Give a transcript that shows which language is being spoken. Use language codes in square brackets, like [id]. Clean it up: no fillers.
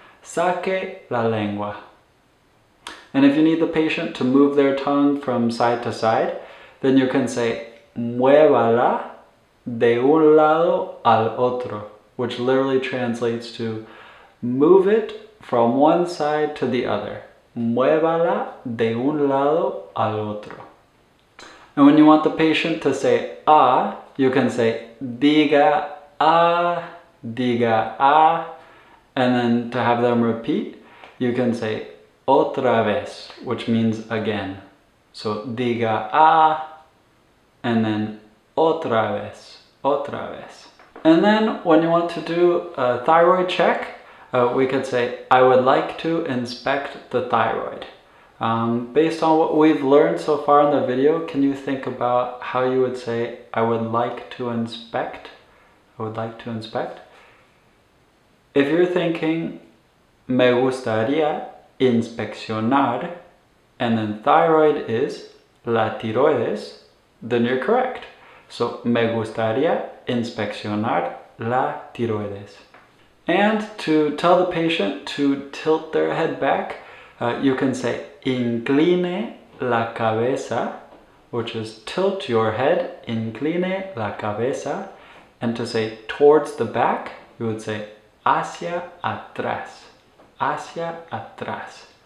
[es] Saque la lengua. [en] And if you need the patient to move their tongue from side to side, then you can say [es] muévala de un lado al otro, [en] which literally translates to move it from one side to the other. [es] Muévala de un lado al otro. [en] And when you want the patient to say ah, you can say [es] diga ah, diga ah, [en] and then to have them repeat, you can say [es] otra vez, [en] which means again. [es] So diga ah, [en] and then [es] otra vez, otra vez. [en] And then when you want to do a thyroid check, we could say, I would like to inspect the thyroid. Based on what we've learned so far in the video, can you think about how you would say, I would like to inspect? I would like to inspect. If you're thinking, [es] me gustaría inspeccionar, [en] and then thyroid is [es] la tiroides, [en] then you're correct. [es] So, me gustaría inspeccionar la tiroides. [en] And to tell the patient to tilt their head back, you can say [es] incline la cabeza, [en] which is tilt your head, incline la cabeza. And to say towards the back, you would say [es] hacia atrás, hacia atrás.